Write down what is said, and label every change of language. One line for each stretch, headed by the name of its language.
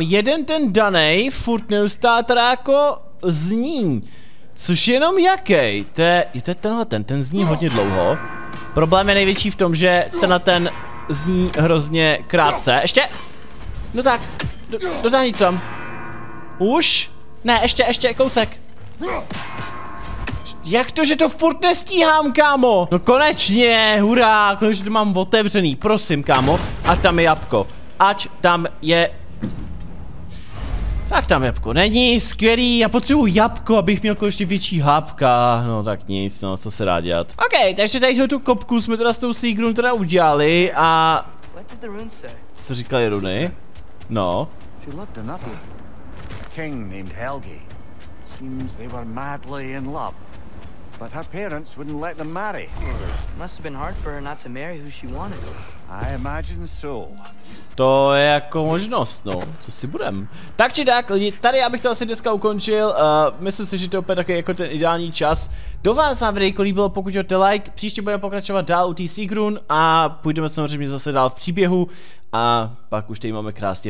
Czech: Jeden ten danej furt neustále teda jako zní. Což jenom jakej? To je tenhle ten zní hodně dlouho. Problém je největší v tom, že tenhle ten zní hrozně krátce. Ještě? No tak, dodání tam. Už? Ne, ještě kousek. Jak to, že to furt nestíhám, kámo? No konečně, hurá, konečně to mám otevřený, prosím, kámo. Ať tam je jabko. Ať tam je... Tak tam jabko není, skvělý, já potřebuji jabko, abych měl konečně větší hábka. No tak nic, no, co se dá dělat. OK, takže tady tu kopku jsme teda s tou Sigrun teda udělali a... Co říkali runy? No.
English: King named Helgi. Seems they were madly in love. But her parents wouldn't let them marry. Must have been hard for her not to marry who she wanted. I imagine so.
Czech: To je jako možnost, no. Co si budem? Tak či tak, lidi, tady já bych to asi dneska ukončil. Myslím si, že to je opět takový jako ten ideální čas. Do vás vám video líbilo, pokud ho dáte like. Příště budeme pokračovat dál u T-Sigrun a půjdeme samozřejmě zase dál v příběhu. A pak už tady máme krásně pátek a zakončí této série. Takže doufám, že se vám video líbilo, dejte určitě like.